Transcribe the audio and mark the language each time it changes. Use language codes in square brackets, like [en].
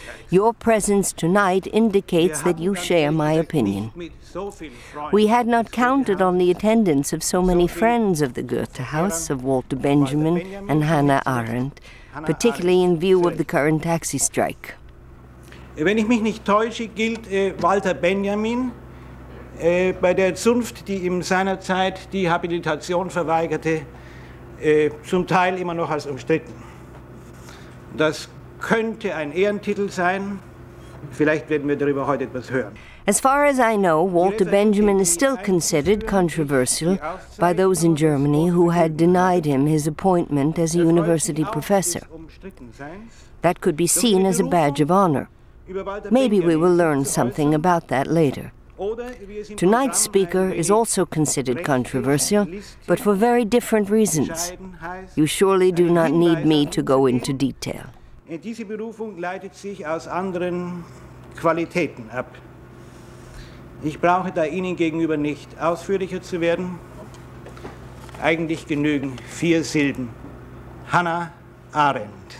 [en] Your presence tonight indicates that you share my opinion. We had not counted on the attendance of so many friends of the Goethe House, of Walter Benjamin and Hannah Arendt, particularly in view of the current taxi strike. [de] Wenn ich mich nicht täusche, gilt Walter Benjamin bei der Zunft, die ihm seinerzeit die Habilitation verweigerte, zum Teil immer noch als umstritten. Das könnte ein Ehrentitel sein. Vielleicht werden wir darüber heute etwas hören. [en] As far as I know, Walter Benjamin is still considered controversial by those in Germany who had denied him his appointment as a university professor. That could be seen as a badge of honor. Maybe we will learn something about that later. Tonight's speaker is also considered controversial, but for very different reasons. You surely do not need me to go into detail. [de] Diese Berufung leitet sich aus anderen Qualitäten ab. Ich brauche da Ihnen gegenüber nicht ausführlicher zu werden. Eigentlich genügen vier Silben. Hannah Arendt.